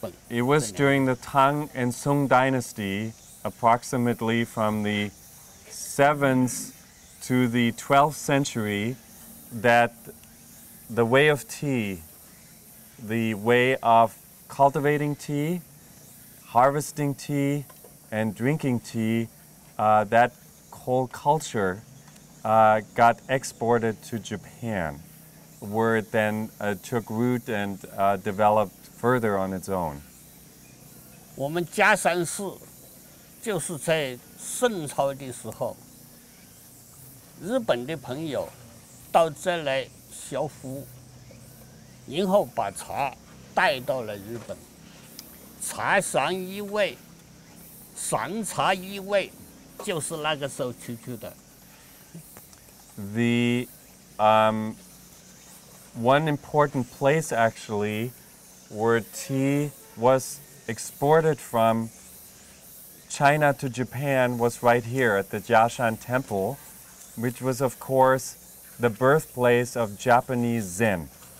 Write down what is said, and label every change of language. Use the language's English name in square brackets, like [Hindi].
[English] It was during the Tang and Song Dynasty, approximately from the 7th to the 12th century, that the way of tea, the way of cultivating tea, harvesting tea, and drinking tea, that whole culture got exported to Japan. Where it then took root and developed further on its own. [Chinese] 我们嘉山寺就是在宋朝的时候，日本的朋友到这来学佛，然后把茶带到了日本。茶山一味，山茶一味，就是那个时候出去的。 [English] One important place actually where tea was exported from China to Japan was right here at the Jiashan Temple, which was of course the birthplace of Japanese Zen.